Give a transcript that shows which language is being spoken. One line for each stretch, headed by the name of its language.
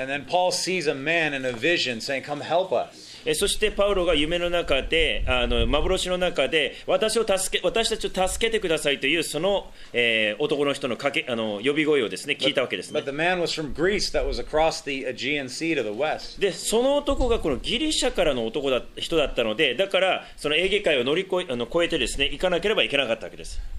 English: And then Paul sees a man in a vision saying, come help us.
Japanese: そしてパウロが夢の中で、幻の中で、私たちを助けてくださいという、その男の人の呼び声をですね、聞いたわけですね。
English: But the man was from Greece that was across the Aegean Sea to the west.
Japanese: で、その男がこのギリシャからの男だ、人だったので、だから、そのエーゲ海を乗り越えてですね、行かなければいけなかったわけです。